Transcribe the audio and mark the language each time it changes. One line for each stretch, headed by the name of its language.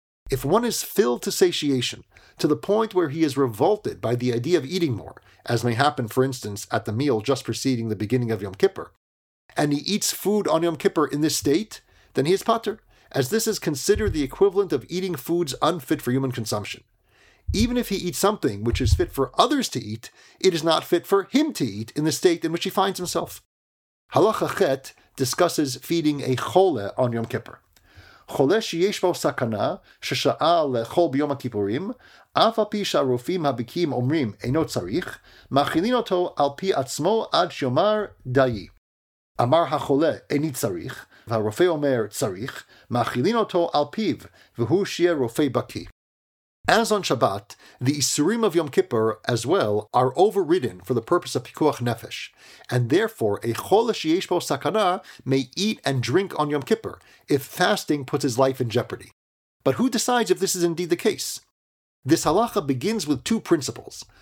English: If one is filled to satiation, to the point where he is revolted by the idea of eating more, as may happen, for instance, at the meal just preceding the beginning of Yom Kippur, and he eats food on Yom Kippur in this state, then he is pater, as this is considered the equivalent of eating foods unfit for human consumption. Even if he eats something which is fit for others to eat, it is not fit for him to eat in the state in which he finds himself. Halacha Chet discusses feeding a chole on Yom Kippur.
Hebrew: חולה שיש בו סכנה ששעה לאכול ביום הכיפורים, אף על פי שהרופאים הבקיאים אומרים אינו צריך, מאכילים אותו על פי עצמו עד שיאמר די. אמר החולה איני צריך, והרופא אומר צריך, מאכילים אותו על פיו, והוא שיהיה רופא בקיא.
English: As on Shabbat, the Isurim of Yom Kippur, as well, are overridden for the purpose of Pikuach Nefesh, and therefore a Chol Shiyesh Bo Sakana may eat and drink on Yom Kippur, if fasting puts his life in jeopardy. But who decides if this is indeed the case? This halacha begins with two principles.